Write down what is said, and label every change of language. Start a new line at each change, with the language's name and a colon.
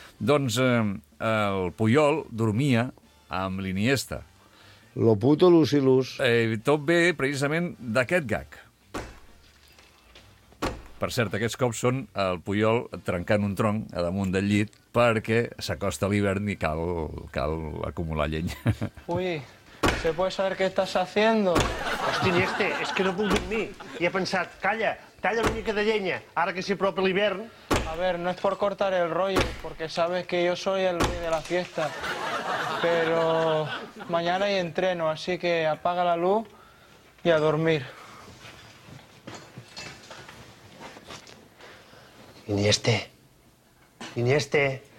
Catalan: Doncs el Puyol dormia amb l'Iniesta. Lo puto Lucilus. Tot ve precisament d'aquest gag. Per cert, aquests cops són el Puyol trencant un tronc a damunt del llit perquè s'acosta l'hivern i cal acumular llenya.
Spanish: Ui, ¿se puede saber qué estás haciendo?
Catalan: Hosti, Iniesta, és que no puc dormir. I he pensat, calla, talla una mica de llenya, ara que s'hi apropa l'hivern.
Spanish: A ver, no es por cortar el rollo, porque sabes que yo soy el rey de la fiesta. Pero mañana hay entreno, así que apaga la luz y a dormir. Iniesta. Iniesta.